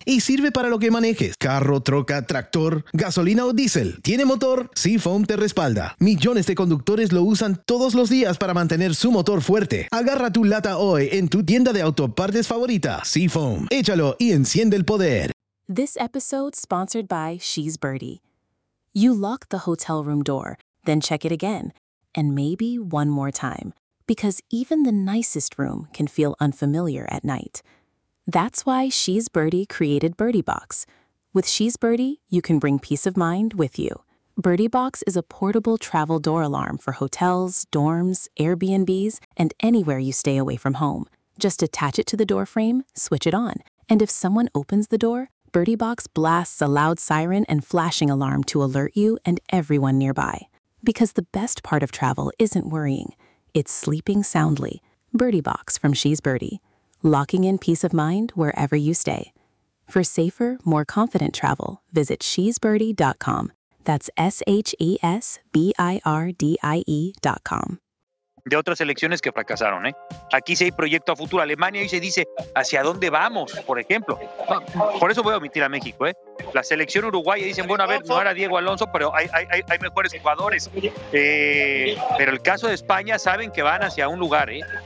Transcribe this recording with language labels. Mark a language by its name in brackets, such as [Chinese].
[Spanish] Y sirve para lo que manejes. Carro, troca, tractor, gasolina o diésel. ¿Tiene motor? Seafoam te respalda. Millones de conductores lo usan todos los días para mantener su motor fuerte. Agarra tu lata hoy en tu tienda de autopartes favorita. Seafoam. Échalo y enciende el poder. [English] This episode sponsored by She's Birdie. You lock the hotel room door, then check it again, and maybe one more time, because even the nicest room can feel unfamiliar at night. That's why She's Birdie created Birdie Box. With She's Birdie, you can bring peace of mind with you. Birdie Box is a portable travel door alarm for hotels, dorms, Airbnbs, and anywhere you stay away from home. Just attach it to the door frame, switch it on, and if someone opens the door, Birdie Box blasts a loud siren and flashing alarm to alert you and everyone nearby. Because the best part of travel isn't worrying, it's sleeping soundly. Birdie Box from She's Birdie. Locking in peace of mind wherever you stay. For safer, more confident travel, visit shesbirdie.com. That's shesbirdie.com. [Spanish] De otras selecciones que fracasaron, ¿eh? Aquí sí hay proyecto a futuro. Alemania hoy se dice, ¿hacia dónde vamos? Por ejemplo. Por eso voy a omitir a México, ¿eh? La selección uruguaya dicen, bueno, a ver, no era Diego Alonso, pero hay mejores jugadores. Pero el caso de España, saben que van hacia un lugar, ¿eh?